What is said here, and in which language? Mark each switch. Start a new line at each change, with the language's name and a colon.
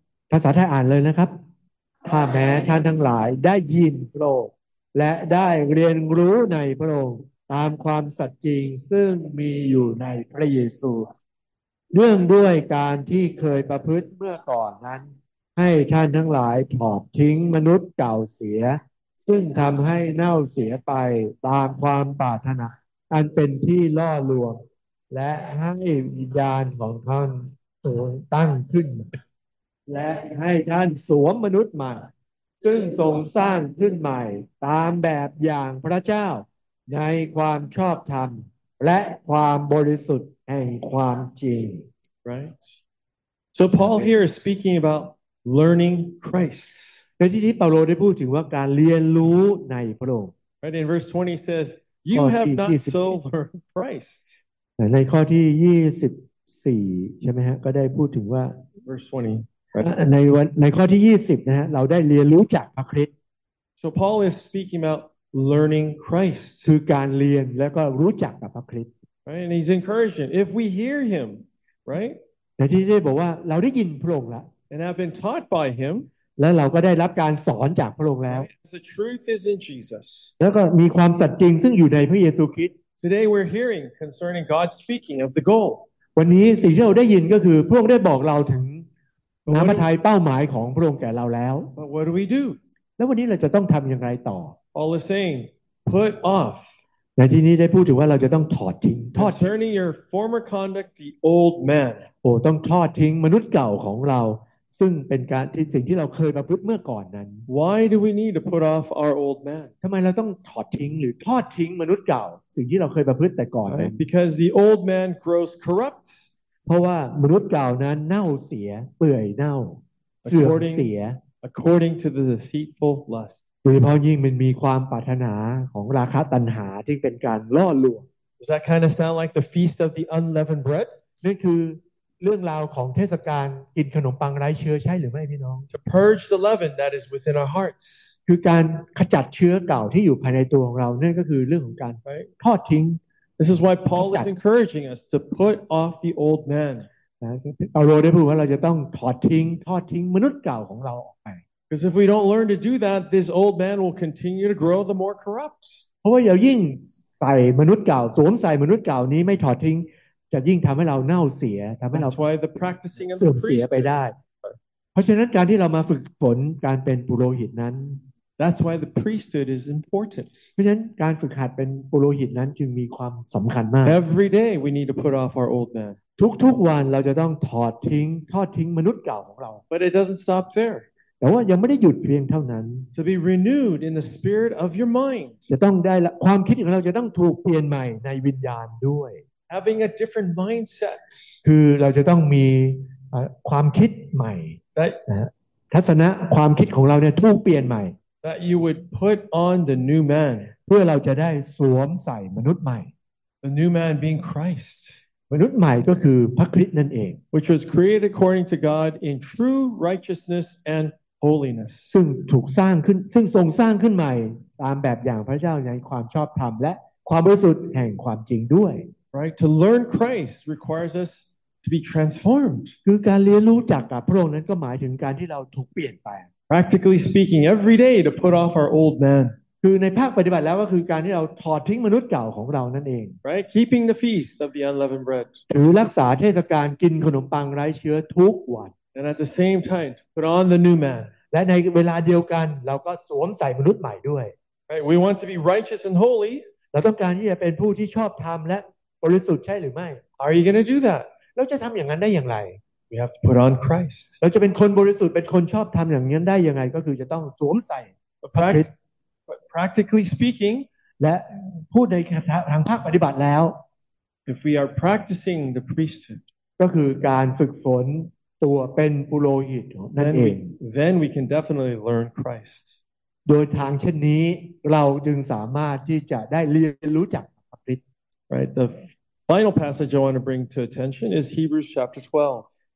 Thai: ภาษาไทยอ่านเลยนะครับถ้าแม้ท่านทั้งหลายได้ยินพระองค์และได้เรียนรู้ในพระองค์ตามความสัตย์จริงซึ่งมีอยู่ในพระเยซูเนื่องด้วยการที่เคยประพฤติเมื่อก่อนนั้นให้ท่านทั้งหลายถอดทิ้งมนุษย์เก่าเสียซึ่งทำให้เน่าเสียไปตามความปรารถนาอันเป็นที่ล่อลวงและให้วิญญาณของท่านสูงตั้งขึ้น และให้ท่านสวมมนุษย์ใหม่ซึ่งทรงสร้างขึ้นใหม่ตามแบบอย่างพระเจ้าในความชอบธรรมและความบริสุทธิ์
English: and
Thai: ความจริง
English: right so paul here is speaking about learning christ
Thai: แต่ที่นี้เปาโลได้พูดถึงว่าการเรียนรู้ในพระองค์
English: right in verse 20 says you have not so learned christ
Thai: ในข้อที่24ใช่มั้ยฮะก็ได้พูดถึงว่า
English: verse 20
Thai: ในข้อที่20นะฮะเราได้เรียนรู้จากพระคริสต์
English: so paul is speaking about learning christ
Thai: คือการเรียนแล้วก็รู้จักกับพระคริสต์
English: Right, and he's encouraging. If we hear him, right?
Thai: แต่ที่ได้บอกว่าเราได้ยินพระองค์แล้ว
English: And I've been taught by him.
Thai: แล้วเราก็ได้รับการสอนจากพระองค์แล้ว
English: The truth is in Jesus.
Thai: แล้วก็มีความสัจจริงซึ่งอยู่ในพระเยซูคริสต์
English: Today we're hearing concerning God speaking of the goal.
Thai: วันนี้สิ่งที่เราได้ยินก็คือพระองค์ได้บอกเราถึงน้ำพระทัยเป้าหมายของพระองค์แก่เราแล้ว
English: But what do we do?
Thai: แล้ววันนี้เราจะต้องทำอย่างไรต่อ
English: Paul is saying, put off.
Thai: ในที่นี้ได้พูดถึงว่าเราจะต้องถอดทิ้งทอด
English: Concerning your former conduct the old man
Thai: โอ้ต้องทอดทิ้งมนุษย์เก่าของเราซึ่งเป็นการที่สิ่งที่เราเคยประพฤติเมื่อก่อนนั้น
English: Why do we need to put off our old man
Thai: ทำไมเราต้องถอดทิ้งหรือทอดทิ้งมนุษย์เก่าสิ่งที่เราเคยประพฤติแต่ก่อน
English: Because the old man grows corrupt
Thai: เ เพราะว่ามนุษย์เก่านั้นเน่าเสียเปื่อยเน่าเสื่อมเสีย
English: according to the deceitful lust
Thai: โดยเฉพาะยิ่งมันมีความปรารถนาของราคะตัณหาที่เป็นการล่อลวง
English: Does that kind of sound like the feast of the unleavened bread
Thai: นี่คือเรื่องราวของเทศกาลกินขนมปังไร้เชื้อใช่หรือไม่พี่น้อง
English: To purge the leaven that is within our hearts
Thai: คือการขจัดเชื้อเก่าที่อยู่ภายในตัวของเราเนี่ยก็คือเรื่องของการทอดทิ้ง
English: This is why Paul is encouraging us to put off the old man
Thai: นะเราได้พูดว่าเราจะต้องทอดทิ้งทอดทิ้งมนุษย์เก่าของเราออกไป
English: Because if we don't learn to do that this old man will continue to grow the more corrupt
Thai: เพราะว่าอย่ายิ่งใส่มนุษย์เก่าสวมใส่มนุษย์เก่านี้ไม่ทอดทิ้งจะยิ่งทำให้เราเน่าเสียทำให้เรา
English: That's why the practicing
Thai: เสื่อมเสียไปได้เพราะฉะนั้นการที่เรามาฝึกฝนการเป็นปุโรหิตนั้น
English: That's why the priesthood is important.
Thai: เพราะฉะนั้นการฝึกหัดเป็นปุโรหิตนั้นจึงมีความสำคัญมาก
English: Every day we need to put off our old man.
Thai: ทุกๆวันเราจะต้องทอดทิ้งมนุษย์เก่าของเรา
English: But it doesn't stop there.
Thai: แต่ว่ายังไม่ได้หยุดเพียงเท่านั้น
English: To be renewed in the spirit of your mind.
Thai: จะต้องได้ความคิดของเราจะต้องถูกเปลี่ยนใหม่ในวิญญาณด้วย
English: Having a different mindset.
Thai: คือเราจะต้องมีความคิดใหม่
English: That
Thai: ทัศนะความคิดของเราเนี่ยถูกเปลี่ยนใหม่
English: That you would put on the new man.
Thai: เพื่อเราจะได้สวมใส่มนุษย์ใหม่
English: The new man being Christ.
Thai: มนุษย์ใหม่ก็คือพระคริสต์นั่นเอง
English: Which was created according to God in true righteousness and holiness.
Thai: ซึ่งถูกสร้างขึ้นซึ่งทรงสร้างขึ้นใหม่ตามแบบอย่างพระเจ้าในความชอบธรรมและความบริสุทธิ์แห่งความจริงด้วย
English: Right? To learn Christ requires us to be transformed.
Thai: คือการเรียนรู้จากกับพระองค์นั้นก็หมายถึงการที่เราถูกเปลี่ยนไป
English: Practically speaking, every day to put off our old man.
Thai: คือในภาคปฏิบัติแล้วก็คือการที่เราถอดทิ้งมนุษย์เก่าของเรานั่นเอง
English: Right, keeping the feast of the unleavened bread.
Thai: ถือรักษาเทศกาลกินขนมปังไร้เชื้อทุกวัน
English: And at the same time, to put on the new man.
Thai: และในเวลาเดียวกันเราก็สวมใส่มนุษย์ใหม่ด้วย
English: Right, we want to be righteous and holy.
Thai: เราต้องการที่จะเป็นผู้ที่ชอบธรรมและบริสุทธิ์ใช่หรือไม่
English: Are you going to do that?
Thai: เราจะทำอย่างนั้นได้อย่างไร
English: We have to put on Christ.
Thai: เราจะเป็นคนบริสุทธิ์เป็นคนชอบทำอย่างนี้ได้ยังไงก็คือจะต้องสวมใส่พระคริสต์
English: Practically speaking,
Thai: และพูดในทางภาคปฏิบัติแล้ว
English: If we are practicing the priesthood,
Thai: ก็คือการฝึกฝนตัวเป็นปุโรหิตนั่นเอง
English: Then we can definitely learn Christ.
Thai: โดยทางเช่นนี้เราจึงสามารถที่จะได้เรียนรู้จักพระคริสต์
English: Right. The final passage I want to bring to attention is Hebrews chapter 12.